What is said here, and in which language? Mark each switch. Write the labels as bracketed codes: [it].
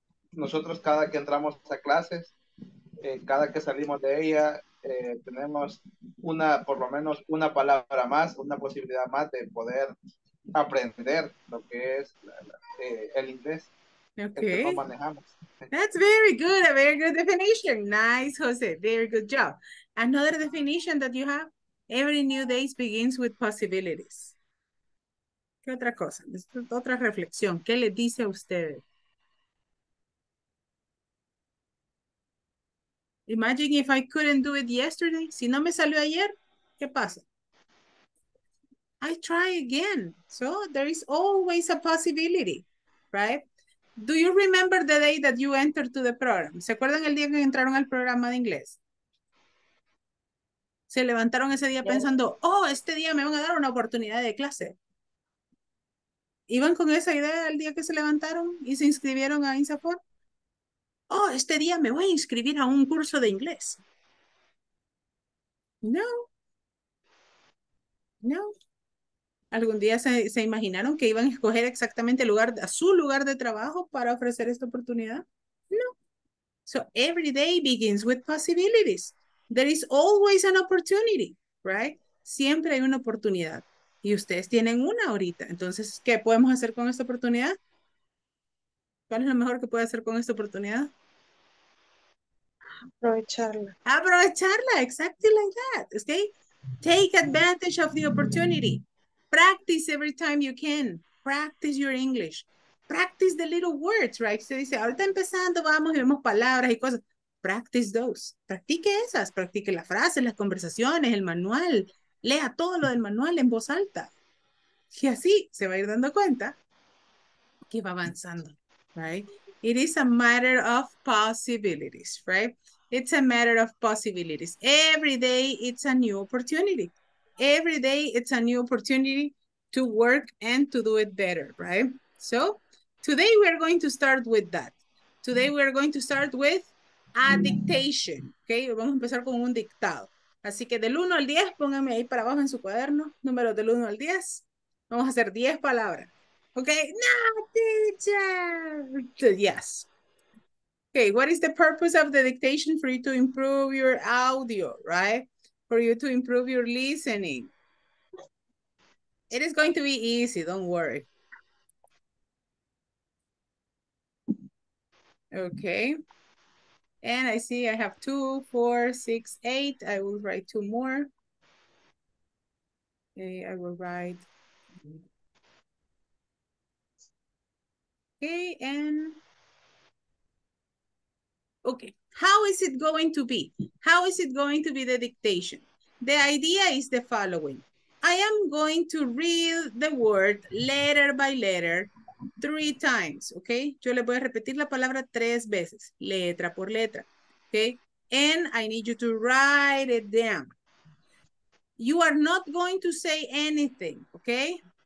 [es] Nosotros cada que entramos a clases, cada que salimos de ella, tenemos una, por lo menos una palabra más, una posibilidad más de poder aprender lo que es el inglés, el que nos manejamos. [en] That's very good, a very good definition. Nice, Jose, very good job. Another definition that you have, every new day begins with possibilities. [es] ¿Qué otra cosa? Otra reflexión, ¿qué le dice a usted? [en] Imagine if I couldn't do it yesterday. [es] Si no me salió ayer, ¿qué pasa? [en] I try again. So there is always a possibility, right? Do you remember the day that you entered to the program? [es] ¿Se acuerdan el día que entraron al programa de inglés? ¿Se levantaron ese día pensando, oh, este día me van a dar una oportunidad de clase? ¿Iban con esa idea el día que se levantaron y se inscribieron a INSAFOR? Oh, este día me voy a inscribir a un curso de inglés. No. No. ¿Algún día se imaginaron que iban a escoger exactamente el lugar, a su lugar de trabajo para ofrecer esta oportunidad? [en] No. So every day begins with possibilities. There is always an opportunity, right? [es] Siempre hay una oportunidad. Y ustedes tienen una ahorita. Entonces, ¿qué podemos hacer con esta oportunidad? ¿Cuál es lo mejor que puede hacer con esta oportunidad? Aprovecharla. Aprovecharla, [en] exactly like that. Okay? Take advantage of the opportunity. Practice every time you can. practice your English. Practice the little words, right? [es] Se dice, ahorita empezando, vamos y vemos palabras y cosas. [en] Practice those. [es] Practique esas. Practique las frases, las conversaciones, el manual. Lea todo lo del manual en voz alta. Y así se va a ir dando cuenta que va avanzando, right? [en] It is a matter of possibilities, right? It's a matter of possibilities. Every day, it's a new opportunity. Every day, it's a new opportunity to work and to do it better, right? So, today we are going to start with that. Today we are going to start with a dictation, okay? [es] Vamos a empezar con un dictado. Así que del 1 al 10, pónganme ahí para abajo en su cuaderno, números del 1 al 10. Vamos a hacer 10 palabras, okay? No, teacher! Yes. [en] Okay, what is the purpose of the dictation? For you to improve your audio, right? For you to improve your listening. It is going to be easy, don't worry. Okay. And I see I have 2, 4, 6, 8. I will write 2 more. Okay, I will write. Okay, and. Okay, how is it going to be? How is it going to be the dictation? The idea is the following. I am going to read the word letter by letter 3 times, okay? [es] Yo le voy a repetir la palabra 3 veces, letra por letra, okay? [en] And I need you to write it down. You are not going to say anything, okay?